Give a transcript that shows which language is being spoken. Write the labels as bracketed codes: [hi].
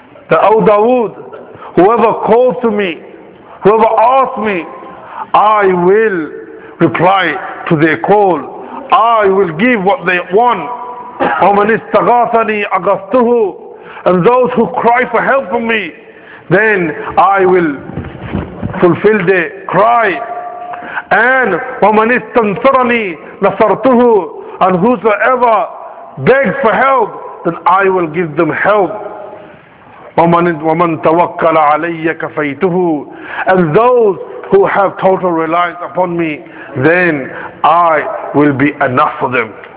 [en] The O Dawood, whoever calls to me, whoever asks me, I will reply to their call. I will give what they want. [ar] ومن استغاثني أغاثته. [en] And those who cry for help from me, then I will fulfill their cry. And [ar] ومن استنصرني نصرته. [en] And whosoever beg for help, then I will give them help. [ar] وَمَنْ تَوَكَّلَ عَلَيَّ كَفَيْتُهُ. [en] And those who have total reliance upon me, then I will be enough for them.